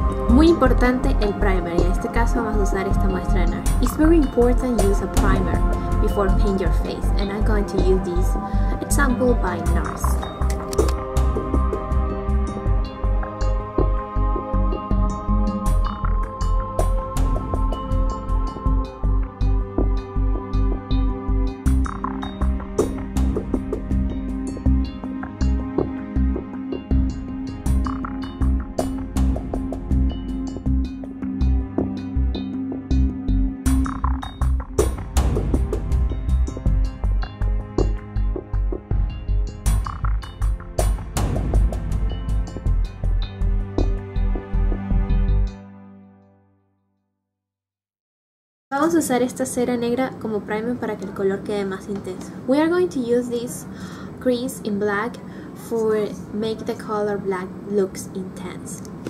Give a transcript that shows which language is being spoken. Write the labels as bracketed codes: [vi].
[es] Muy importante el primer, en este caso vamos a usar esta muestrainer. [en] It's very important to use a primer before paint your face, and I'm going to use this example by NARS. [es] Vamos a usar esta cera negra como primer para que el color quede más intenso. [en] We are going to use this crease in black for make the color black looks intense.